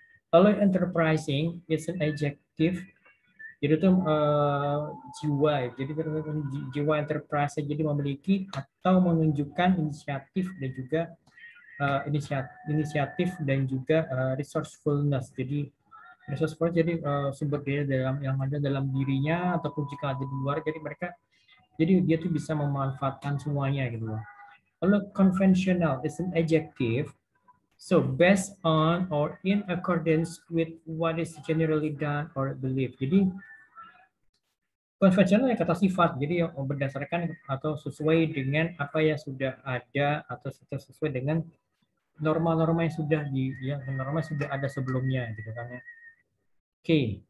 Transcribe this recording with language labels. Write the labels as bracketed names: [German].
[Indonesian] Lalu [English] enterprising is an adjective, [Indonesian] jadi itu jiwa, jadi jiwa enterprise, jadi memiliki atau menunjukkan inisiatif dan juga resourcefulness, jadi resourcefulness, jadi sumber daya dalam yang ada dalam dirinya ataupun jika ada di luar, jadi mereka, jadi dia tuh bisa memanfaatkan semuanya gitu loh. Lalu [English] conventional is an adjective, so based on or in accordance with what is generally done or believed. [Indonesian] Jadi conventional ya kata sifat, jadi yang berdasarkan atau sesuai dengan apa yang sudah ada atau sesuai dengan norma-norma yang sudah ada sebelumnya gitu kan ya. Oke.